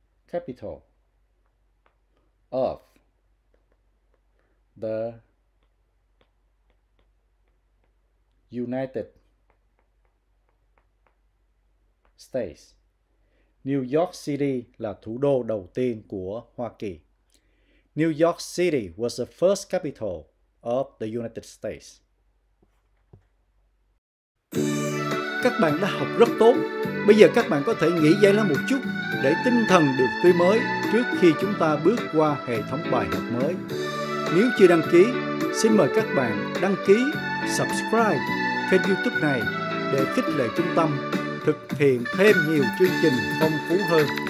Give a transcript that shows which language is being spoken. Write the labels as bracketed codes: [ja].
[en] capital of the United States. [vi] New York City là thủ đô đầu tiên của Hoa Kỳ. [en] New York City was the first capital of the United States. [vi] Các bạn đã học rất tốt. Bây giờ các bạn có thể nghỉ giải lao một chút để tinh thần được tươi mới trước khi chúng ta bước qua hệ thống bài học mới. Nếu chưa đăng ký, xin mời các bạn đăng ký, subscribe kênh YouTube này để khích lệ trung tâm thực hiện thêm nhiều chương trình phong phú hơn.